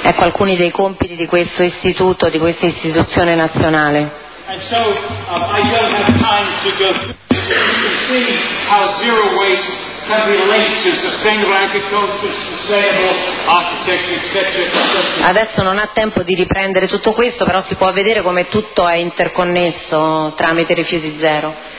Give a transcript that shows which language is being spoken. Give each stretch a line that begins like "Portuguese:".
Italian: Ecco alcuni dei compiti di questo istituto, di questa istituzione nazionale.
English: And so I don't have time to go through this. You can see how zero waste can be linked to sustainable agriculture, sustainable architecture, etc.
Italian: Adesso non ha tempo di riprendere tutto questo, però si può vedere come tutto è interconnesso tramite rifiuti zero.